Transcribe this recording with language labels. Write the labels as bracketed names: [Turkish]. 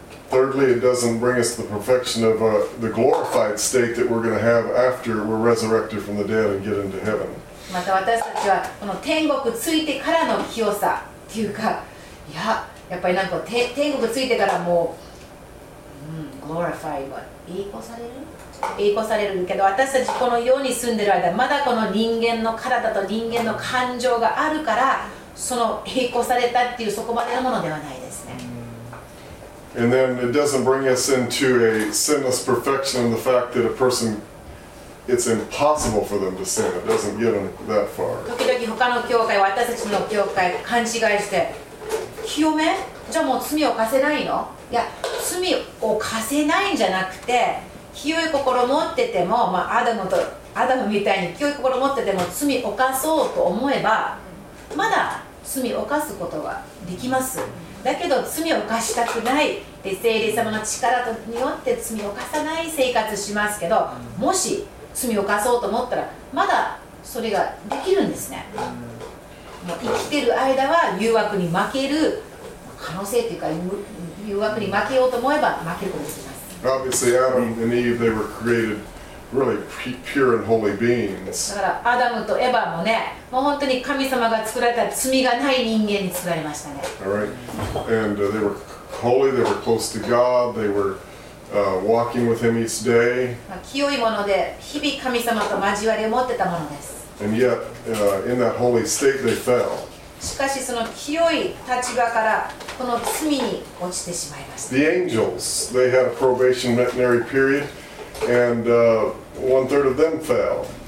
[English] Thirdly, it doesn't bring us the perfection of the glorified state that we're going to have after we're resurrected from the dead and get into heaven. [Japanese] また私たちはこの天国ついてからの清さっていうか、いや、やっぱりなんか天国ついてからもう、glorified は栄光される？栄光されるけど、私たちこの世に住んでる間、まだこの人間の体と人間の感情があるから、その栄光されたっていうそこまでのものではないですね。 [English] And then it doesn't bring us into a sinless perfection in the fact that a person, it's impossible for them to sin. It doesn't get them that far. [Japanese] 時々他の教会、私たちの教会、勘違いして、清め？じゃあもう罪を犯せないの？いや、罪を犯せないんじゃなくて、清い心持ってても、まあ、アダムみたいに清い心持ってても罪を犯そうと思えば、まだ罪を犯すことができます。だけど罪を犯したくないで聖霊様の力によって罪を犯さない生活しますけど、もし罪を犯そうと思ったらまだそれができるんですね。もう生きてる間は誘惑に負ける可能性というか、誘惑に負けようと思えば負けることができます。 [English] Obviously Adam and Eve, they were created really pure and holy beings. [Japanese] だからアダムとエヴァもね、もう本当に神様が作られた罪がない人間に作られましたね。 [English] And they were holy, they were close to God, they were walking with him each day. [Japanese] 清いもので、日々神様と交わりを持ってたものです。 [English] And yet, in that holy state, they fell. [Japanese] しかしその清い立場からこの罪に落ちてしまいました。 [English] The angels, they had a probationary period, and one third of them fell.